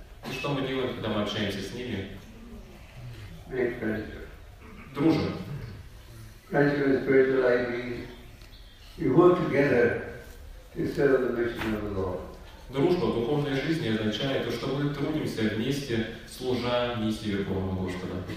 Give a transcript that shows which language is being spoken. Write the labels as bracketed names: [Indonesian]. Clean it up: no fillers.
[Russian] И что мы делаем, когда мы общаемся с ними? Дружим. [English] Friendship and spiritual life means we work together to serve the mission of the Lord. [Russian] Дружба в духовной жизни означает то, что мы трудимся вместе, служа миссии Верховного Господа.